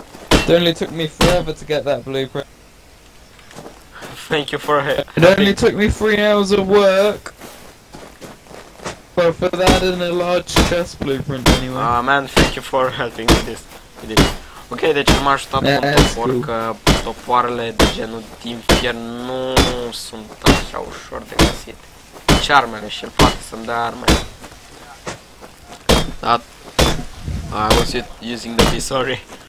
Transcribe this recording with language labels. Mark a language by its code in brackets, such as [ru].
[en] It only took me forever to get that blueprint. Thank you for it. It only took me 3 hours of work. But for that and a large chest blueprint anyway. Ah man, thank you for helping with this. [ro] Ok, deci m-a ajutat cu topor, că topoarele de genul din fier nu sunt așa ușor de găsit. Deci armele și îl poate să-mi dea arme. [en] That... I was using the piece, sorry.